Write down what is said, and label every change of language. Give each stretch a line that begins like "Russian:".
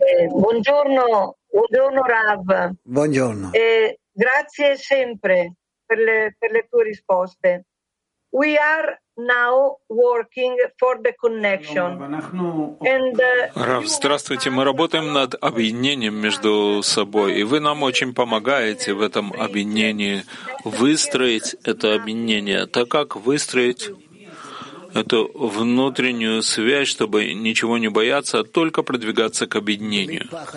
Italian: Buongiorno, buongiorno Rav. Buongiorno. Grazie sempre per le tue risposte.
English: We are now working for the connection.
Russian: And, Рав, здравствуйте. Мы работаем над объединением между собой, и вы нам очень помогаете в этом объединении выстроить это объединение. Так как выстроить эту внутреннюю связь, чтобы ничего не бояться, а только продвигаться к объединению?